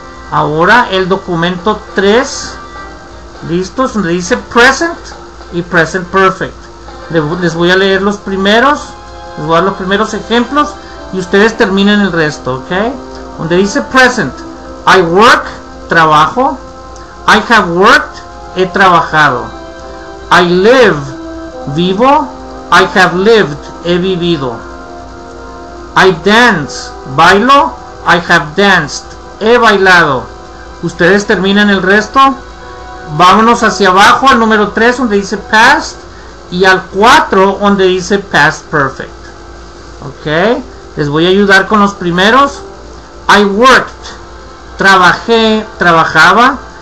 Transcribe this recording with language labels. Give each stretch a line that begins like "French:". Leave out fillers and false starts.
Spanish: Ahora el documento 3, listos, donde dice present y present perfect. Les voy a leer los primeros, les voy a dar los primeros ejemplos y ustedes terminen el resto, ok. Donde dice present,
English: I work,
Spanish: trabajo.
English: I have worked,
Spanish: he trabajado.
English: I live,
Spanish: vivo.
English: I have lived,
Spanish: he vivido.
English: I dance,
Spanish: bailo.
English: I have danced,
Spanish: he bailado. Ustedes terminan el resto. Vámonos hacia abajo al número 3 donde dice past y al 4 donde dice past perfect. Ok, les voy a ayudar con los primeros.
English: I worked,
Spanish: trabajé, trabajaba.